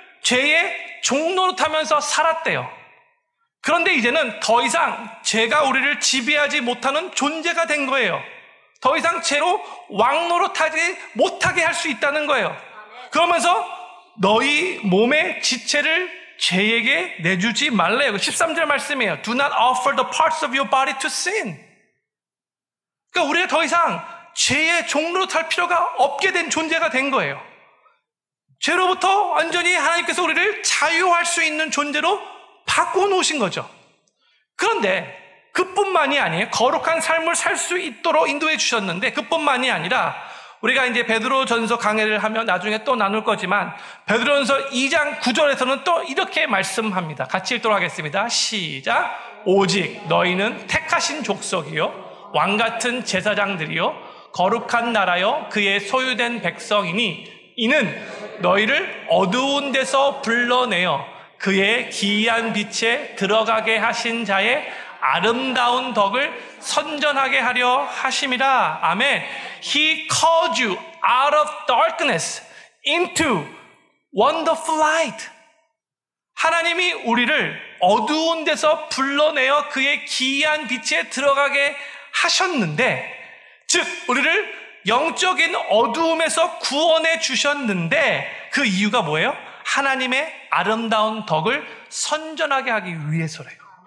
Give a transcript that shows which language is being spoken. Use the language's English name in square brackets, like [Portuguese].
[Korean] 죄의 종노릇하면서 살았대요. 그런데 이제는 더 이상 죄가 우리를 지배하지 못하는 존재가 된 거예요. 더 이상 죄로 왕노릇하지 못하게 할 수 있다는 거예요. 그러면서 너희 몸의 지체를 죄에게 내주지 말래요. 13절 말씀이에요. [English] Do not offer the parts of your body to sin. [Korean] 그러니까 우리가 더 이상 죄의 종노릇할 필요가 없게 된 존재가 된 거예요. 죄로부터 완전히 하나님께서 우리를 자유할 수 있는 존재로 바꿔놓으신 거죠. 그런데 그뿐만이 아니에요. 거룩한 삶을 살 수 있도록 인도해 주셨는데 그뿐만이 아니라 우리가 이제 베드로 전서 강해를 하면 나중에 또 나눌 거지만 베드로 전서 2장 9절에서는 또 이렇게 말씀합니다. 같이 읽도록 하겠습니다. 시작! 오직 너희는 택하신 족속이요 왕같은 제사장들이요 거룩한 나라요 그의 소유된 백성이니 이는 너희를 어두운 데서 불러내어 그의 기이한 빛에 들어가게 하신 자의 아름다운 덕을 선전하게 하려 하심이라. 아멘. [English] He called you out of darkness into wonderful light. [Korean] 하나님이 우리를 어두운 데서 불러내어 그의 기이한 빛에 들어가게 하셨는데, 즉 우리를 영적인 어두움에서 구원해 주셨는데 그 이유가 뭐예요? 하나님의 아름다운 덕을 선전하게 하기 위해서래요.